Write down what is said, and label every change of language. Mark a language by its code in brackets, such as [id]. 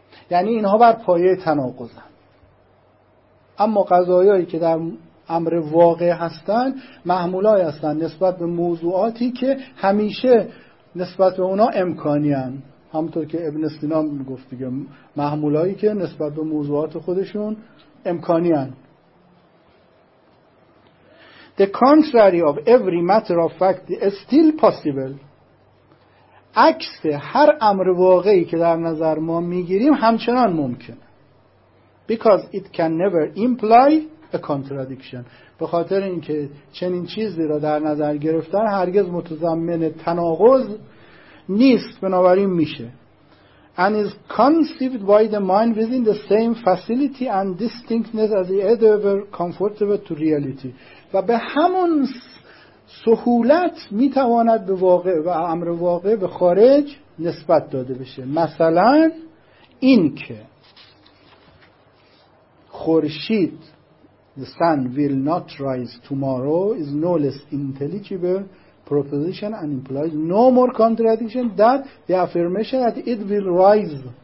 [fa] یعنی اینها بر پایه تناقضن. اما قضایایی که در امر واقع هستن محمولای هستن نسبت به موضوعاتی که همیشه نسبت به اونا امکانی هن. همطور که ابن سینا میگفت دیگه، محمولایی که نسبت به موضوعات خودشون امکانی هن. [en] The contrary of every matter of fact is still possible. [fa] عکس هر امر واقعی که در نظر ما میگیریم همچنان ممکنه. [en] Because it can never imply a contradiction. [fa] به خاطر اینکه چنین چیزی را در نظر گرفتن هرگز متضمن تناقض نیست، بنابراین میشه. [en] And is conceived by the mind within the same facility and distinctness as ever comfortable to reality. [fa] و به همون سهولت میتواند به واقع و امر واقع به خارج نسبت داده بشه. مثلا این که خورشید، [en] The sun will not rise tomorrow is no less intelligible proposition and implies no more contradiction than the affirmation that it will rise.